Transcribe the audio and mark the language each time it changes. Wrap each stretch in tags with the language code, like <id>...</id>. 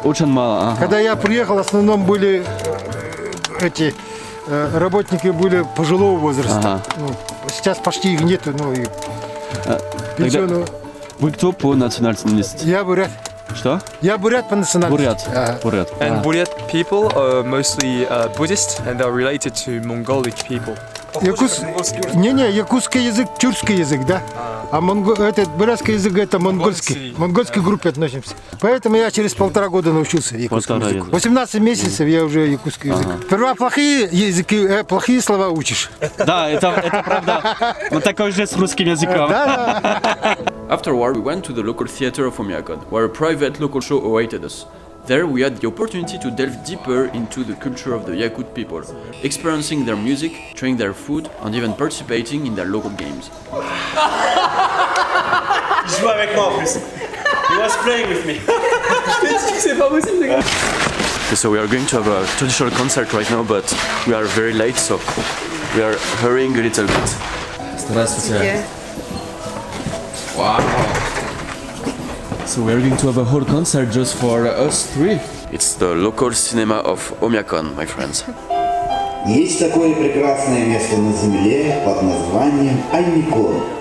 <ru>Очень мало, ага. Когда я приехал, в основном были эти работники были пожилого возраста. Ага. Сейчас почти их нету, но и пенсионного. Вы кто по национальности? Я бурят. Что? Я бурят по национальности. Бурят. Бурят.</ru> <en>And Buryat people are mostly Buddhist and they're related to Mongolic people.</en> <ru>Не-не, якутский язык, тюркский язык, да. А этот бурятский язык это монгольский. В монгольской группе относимся. Поэтому я через полтора года научился якутскому языку. 18 месяцев я уже якутский язык. Сперва плохие языки, плохие слова учишь. Да, это правда. Но такой же с русским языком.</ru> <en>After war we went to the local theater of Oymyakon, where a private local show awaited us. There we had the opportunity to delve deeper into the culture of the Yakut people, experiencing their music, trying their food, and even participating in their local games.</en> <fr>Je jouais avec moi en plus.</fr> <en>He was playing with me.</en> <fr>Je t'ai dit que c'est pas possible, les gars.</fr> <en>So we are going to have a traditional concert right now, but we are very late, so we are hurrying a little bit.</en> <ru>Здравствуйте.</ru> <en>Wow. So we're going to have a whole concert just for us three. It's the local cinema of Oymyakon, my friends.</en> <ru>Есть такое прекрасное место на земле под названием Oymyakon.</ru>